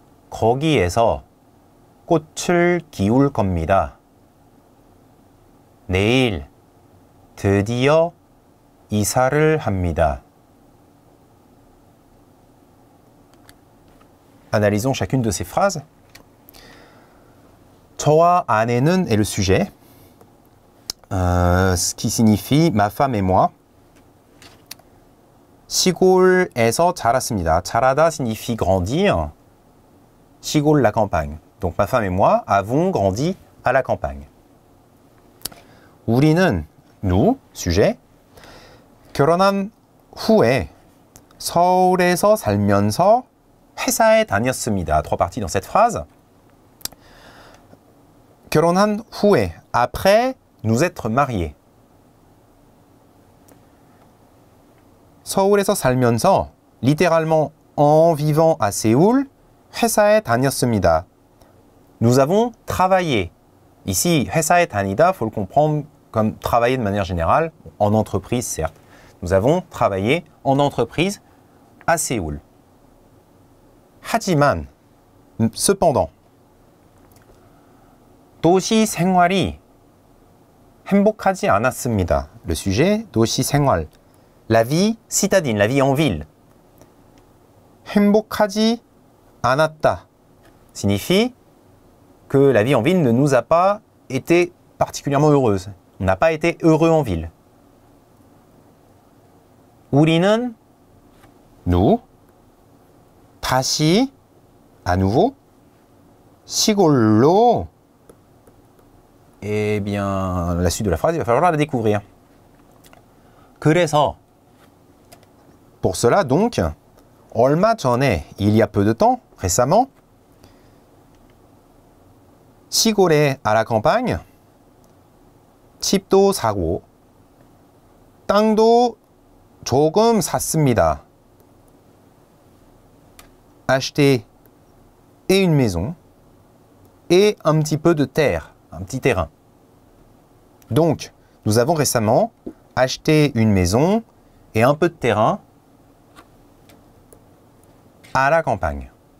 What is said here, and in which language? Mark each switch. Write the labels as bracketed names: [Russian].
[Korean] 거기에서 꽃을 기울 겁니다. 내일 드디어 이사를 합니다. [French] Analysons chacune de ces phrases. [Korean] 저와 아내는 [French] est le sujet. Ce qui signifie ma femme et moi. [Korean] 시골에서 자랐습니다. [French] 자라다 signifie grandir. 시골, la campagne. Donc ma femme et moi avons grandi à la campagne. [Korean] 우리는, [French] nous, sujet, [Korean] 결혼한 후에 서울에서 살면서 회사에 다녔습니다. [French] Trois parties dans cette phrase. [Korean] 결혼한 후에, [French] après nous être mariés. [Korean] 서울에서 살면서, [French] littéralement en vivant à Séoul, [Korean] 회사에 다녔습니다. [French] Nous avons travaillé. Ici, [Korean] 회사에 다니다, [French] faut le comprendre comme travailler de manière générale, en entreprise, certes. Nous avons travaillé en entreprise à Séoul. [Korean] 하지만, [French] cependant, [Korean] 도시 생활이 행복하지 않았습니다. [French] Le sujet, [Korean] 도시 생활. [French] La vie citadine, la vie en ville. [Korean] 행복하지 않았다. [French] Signifie que la vie en ville ne nous a pas été particulièrement heureuse. On n'a pas été heureux en ville. [Korean] 우리는 [French] nous [Korean] 다시 [French] à nouveau [Korean] 시골로 [French] Eh bien, la suite de la phrase, il va falloir la découvrir. [Korean] 그래서 [French] pour cela donc [Korean] 얼마 전에 [French] il y a peu de temps récemment [Korean] 시골에 [French] à la campagne [Korean] 집도 사고 땅도 조금 샀습니다. [French] Acheté et une maison et un petit peu de terre, un petit terrain. Donc, nous avons récemment acheté une maison et un peu de terrain à la campagne.